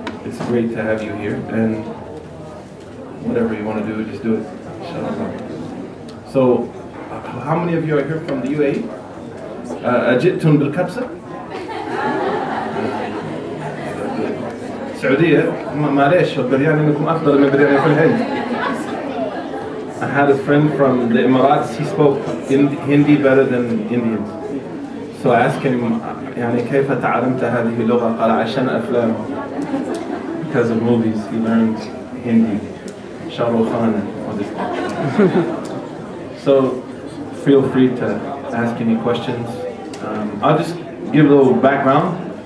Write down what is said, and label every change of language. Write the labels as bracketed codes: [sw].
[en] It's great to have you here. And whatever you want to do, just do it. [ar] إن شاء الله. [en] So, how many of you are here from the UAE? [ar] أجئتم بالكبسة؟ سعودية؟ ما ليش؟ البرياني منكم أفضل من البرياني في الهند. [en] I had a friend from the Emirates. He spoke Hindi better than Indians. So I asked him, [ar] يعني كيف تعلمت هذه اللغة؟ قال عشان أفلام. [en] Because of movies, he learned Hindi. Shah Rukh Khan or this. So feel free to ask any questions. I'll just give a little background.